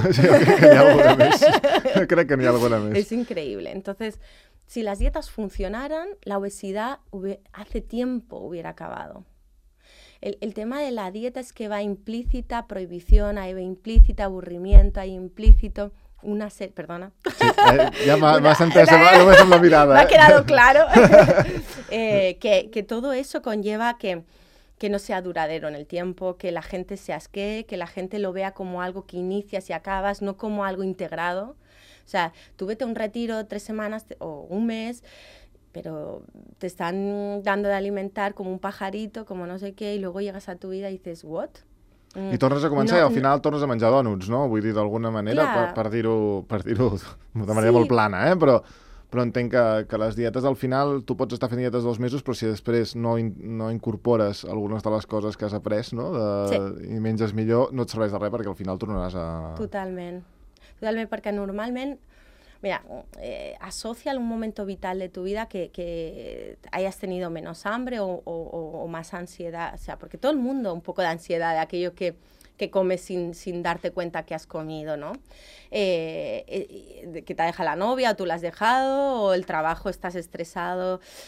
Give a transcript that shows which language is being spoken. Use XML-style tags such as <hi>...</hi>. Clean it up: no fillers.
<ca>Sí, crec que n'hi ha alguna més. Crec que n'hi ha alguna més. És increïble.</ca> <es>Entonces, si las dietas funcionaran, la obesidad hace tiempo hubiera acabado. El tema de la dieta es que va implícita prohibición, ahí va implícita aburrimiento, ahí implícito una sed... Perdona. Sí, ya más antes, no me la mirada. Me ha quedado claro que todo eso conlleva que no sea duradero en el tiempo, que la gente se asquee, que la gente lo vea como algo que inicias y acabas, no como algo integrado. O sea, tú vete a un retiro 3 semanas o un mes... Pero te están dando de alimentar como un pajarito, como no sé qué, y luego llegas a tu vida y dices, what?</es> <ca>I tornes a començar i al final tornes a menjar dònuts, no? Vull dir, d'alguna manera, per dir-ho de manera molt plana, eh? Però entenc que les dietes, al final, tu pots estar fent dietes 2 mesos, però si després no incorpores algunes de les coses que has après, no? I menges millor, no et serveix de res, perquè al final tornaràs a... Totalment, perquè normalment...</ca> <es>Mira, asocia un momento vital de tu vida que hayas tenido menos hambre o más ansiedad. O sea, porque todo el mundo un poco de ansiedad, de aquello que comes sin darte cuenta que has comido, ¿no? Que te deja la novia o tú la has dejado, o el trabajo, estás estresado.</es>